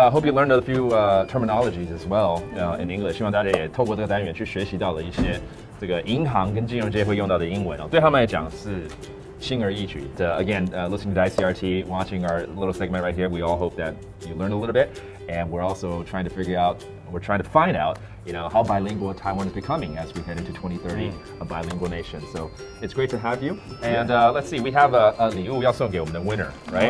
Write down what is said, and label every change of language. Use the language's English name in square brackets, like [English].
[English] Hope you learned a few terminologies as well in English. [Chinese] 希望大家也透过这个单元去学习到了一些这个银行跟金融界会用到的英文哦。对他们来讲是轻而易举的。 [English] Again, listening to ICRT, watching our little segment right here, we all hope that you learned a little bit. And we're also trying to figure out, we're trying to find out, you know, how bilingual Taiwan is becoming as we head into 2030, a bilingual nation. So it's great to have you. And let's see, we have a [Chinese] 礼物要送给我们的 [English] winner, right?